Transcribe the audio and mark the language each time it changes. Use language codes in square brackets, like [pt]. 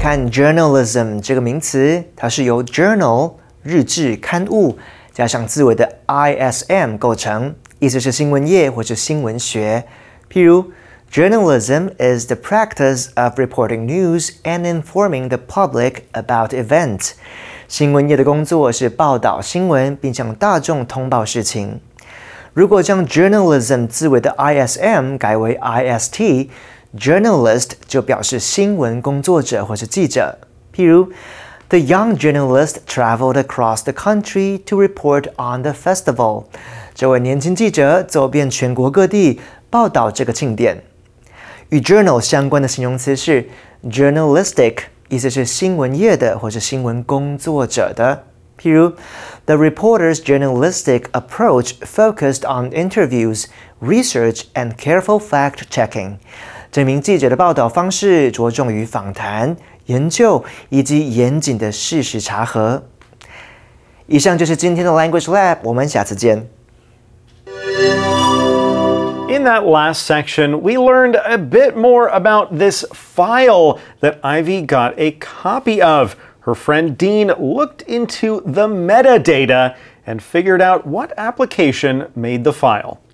[zh] Journalism 这个名词，它是由 journal 日志刊物加上字尾的 ism 构成，意思是新闻业或是新闻学。譬如 [en] ，journalism is the practice of reporting news and informing the public about events。 [zh] 新闻业的工作是报道新闻并向大众通报事情。如果将 journalism 字尾的 ism 改为 ist。 Journalist 就表示新闻工作者或是记者。譬如 [en] ,The young journalist traveled across the country to report on the festival. [zh] 这位年轻记者走遍全国各地报道这个庆典。与 journal 相关的形容词是 journalistic, 意思是新闻业的或是新闻工作者的。譬如 [en] ,The reporter's journalistic approach focused on interviews, research, and careful fact-checking. [zh] 这名记者的报道方式着重于访谈、研究以及严谨的事实查核。以上就是今天的 Language Lab， 我们下次见。 [en] In that last section, we learned a bit more about this file that Ivy got a copy of. Her friend Dean looked into the metadata and figured out what application made the file.